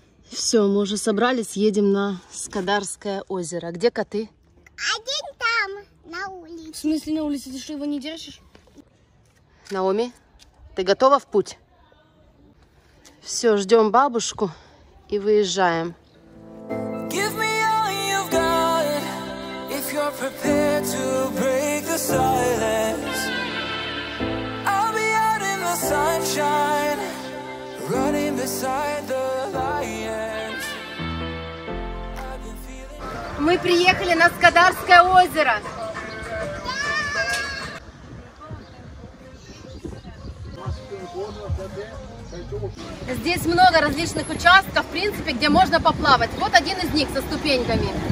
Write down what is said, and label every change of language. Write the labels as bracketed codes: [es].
[ru] Все, мы уже собрались, едем на Скадарское озеро. Где коты? Один там. На улице. В смысле на улице? Ты что, его не держишь? Наоми, ты готова в путь? Все, ждем бабушку и выезжаем. [en] Give me all you've got, if you're prepared to break the silence. I'll be out in the sunshine, running beside the lions. [ru] Мы приехали на Скадарское озеро. Здесь много различных участков, в принципе, где можно поплавать. Вот один из них со ступеньками.